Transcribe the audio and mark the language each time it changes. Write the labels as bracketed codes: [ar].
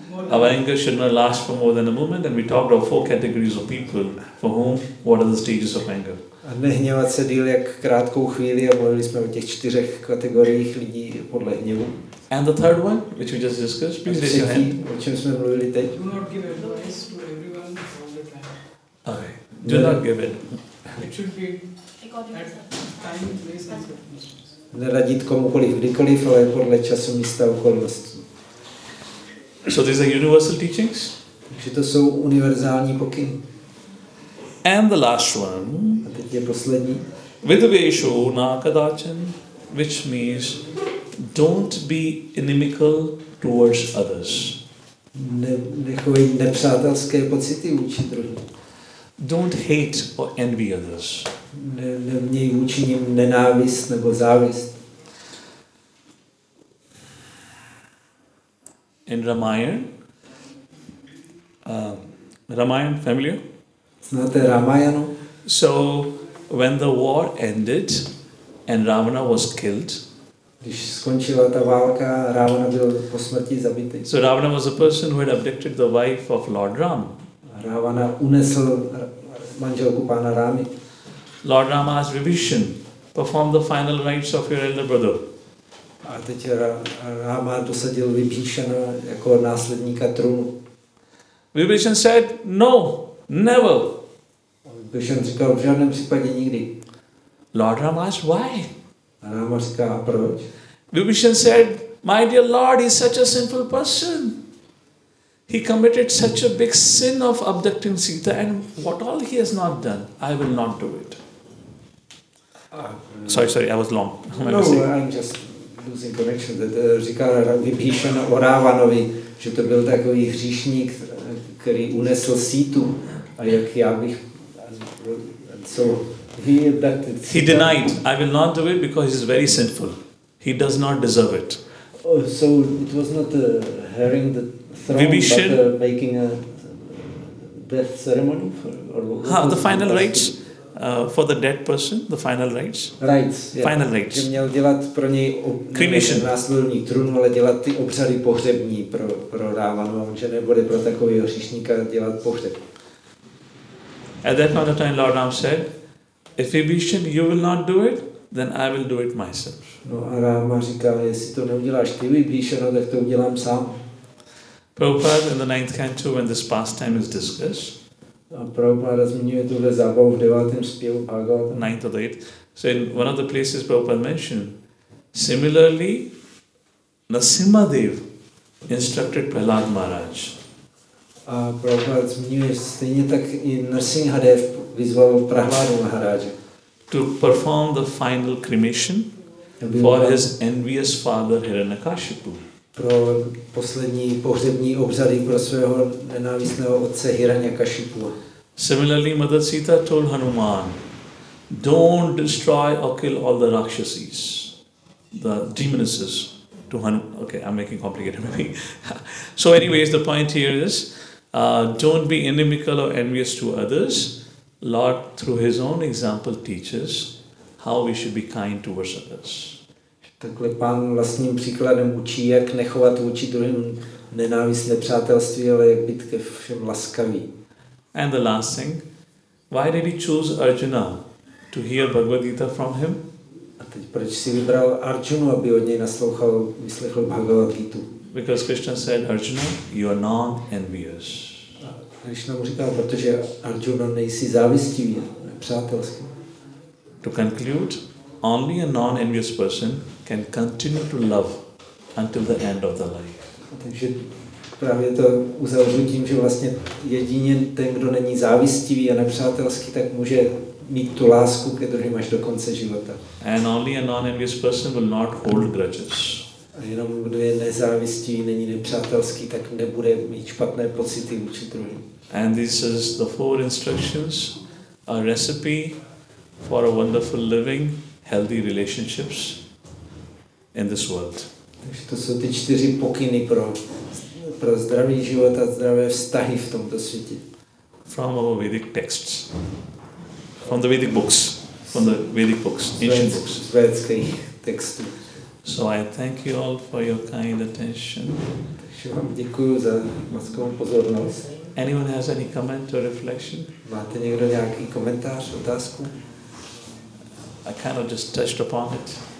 [en] our anger should not last for more than a moment, and we talked about four categories of people for whom what are the stages of anger. [cs] A nehněvat se díl jak krátkou chvíli, a mluvili jsme o těch čtyřech kategoriích lidí podle hněvu. [en] And the third one, which we just discussed, please raise your hand. [cs] O čem jsme mluvili teď? [en] Do not give advice to everyone all the time. Okay. Do not give it. It should be at time, place, and circumstances. [cs] Neradit komukoliv, kdykoliv, ale podle času, místa, okolností. [en] So these are universal teachings. [cs] Takže to jsou univerzální pokyny. [en] And the last one. [cs] A teď je poslední. [sa] Vidvěšu nakadachan, [en] which means don't be inimical towards others. [cs] Nechovej nepřátelské pocity vůči druhým. [en] Don't hate or envy others. [cs] Neměj vůči nim nenávist nebo závist. [en] In Ramayana, familiar? [cs] Znáte Ramayanu? [en] So, when the war ended and Ravana was killed, [cs] když skončila ta válka, Ravana byl po smrti zabitý. [en] So Ravana was a person who had abducted the wife of Lord Ram. [cs] Ravana unesl manželku pána Rámy. [en] Lord Rama asked Vibhishan, perform the final rites of your elder brother. [cs] A teď Rama dosadil Vibhishana jako následníka trůnu. [en] Vibhishan said, no, never. [cs] Vibhishan říkal, v žádném případě nikdy. [en] Lord Rama asked, why? [cs] A Rama říká, proč? [en] Vibhishan said, my dear Lord, he's such a sinful person. He committed such a big sin of abducting Sita and what all he has not done, I will not do it. Sorry, I was long. No, losing connection, that [cs] říká Vibhishana o Ravanovi, že to byl takový hříšník, který unesl Sítu, a jak já bych, [en] so he abducted Sita. He denied, I will not do it because he is very sinful. He does not deserve it. Oh, so it was not hearing the throne, Vibhishan, but making a death ceremony for, or the final rites. For the dead person, the final rites. Rites. Yeah. Final rites. [cs] Že měl dělat pro něj [en] cremation. [cs] Následovní trůn, ale dělat ty obřady pohřební pro Rávanu, a že nebude pro takového hříšníka dělat pohřeb. [en] At that point of time, Lord Ram said, if Vibhishan, you will not do it, then I will do it myself. [cs] No a Ráma říká, jestli to neuděláš ty, Vibhishan, tak to udělám sám. [en] Prabhupada, in the ninth canto, when this pastime is discussed, [cs] a Prabhupada zmiňuje tuhle zábavu v devátém zpěvu Bhagavatam. [en] Ninth or eighth. So in one of the places Prabhupada mentioned, similarly, Narasimhadev instructed Prahlad Maharaj. [cs] A Prabhupada zmiňuje stejně tak i Narasimhadev vyzval Prahlada Maharaja. [en] To perform the final cremation for his envious father Hiranyakashipu. [cs] Pro poslední pohřební obřady pro svého nenávistného otce Hiranyakashipu. [en] Similarly, Mother Sita told Hanuman, don't destroy or kill all the Rakshasis, the demonesses to Hanuman. Okay, I'm making complicated maybe. So anyways, the point here is, Don't be inimical or envious to others. Lord, through His own example, teaches how we should be kind towards others. [cs] Takhle Pán vlastním příkladem učí, jak nechovat vůči druhým nenávistné přátelství, ale jak být ke všem laskavý. [en] And the last thing, why did He choose Arjuna to hear Bhagavad Gita from Him? [cs] A teď proč si vybral Arjunu, aby od něj naslouchal, vyslechl Bhagavad Gitu? [en] Because Krishna said, Arjuna, you are non-envious. [cs] Krishna mu říkal, protože Arjuna nejsi závistivý, nepřátelský. [en] To conclude, only a non-envious person can continue to love until the end of the life. [cs] Takže právě to uzavřu tím, že vlastně jedině ten, kdo není závistivý a nepřátelský, tak může mít tu lásku ke druhým až do konce života. [en] And only a non-envious person will not hold grudges. [cs] A jenom kdo je nezávistivý, není nepřátelský, tak nebude mít špatné pocity vůči druhým. [en] And this is the four instructions, a recipe for a wonderful living, healthy relationships in this world. [cs] Takže to jsou ty čtyři pokyny pro zdravý život a zdravé vztahy v tomto světě. [en] From our Vedic texts. From the Vedic books. From the Vedic books, ancient books. [cs] Vedických textů. [en] So I thank you all for your kind attention. [cs] Takže vám děkuju za mockou pozornost. [en] Anyone has any comment or reflection? [cs] Máte někdo nějaký komentář, otázku? [en] I kind of just touched upon it.